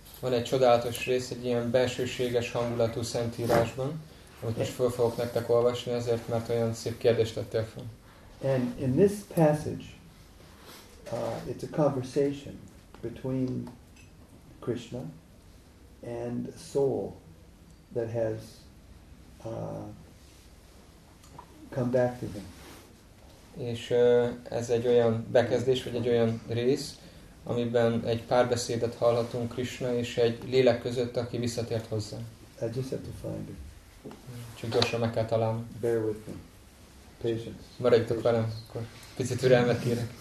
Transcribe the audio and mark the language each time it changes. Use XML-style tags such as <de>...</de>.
<hu>Van egy csodálatos rész, egy ilyen bensőséges hangulatú szentírásban, amit most fel fogok nektek olvasni, azért, mert olyan szép kérdést tettél fel.</hu> <en>And in this passage, it's a conversation between Krishna and a soul that has come back to him.</en> <hu>És ez egy olyan bekezdés, vagy egy olyan rész, amiben egy párbeszédet hallhatunk Krishna és egy lélek között, aki visszatért hozzá.</hu> <en>I just have to find it.</en> <hu>Csak gyorsan meg kell találni.</hu> <en>Bear with me. Patience.</en> <hu>Maradjatok velem, akkor picit türelmet kérek.</hu>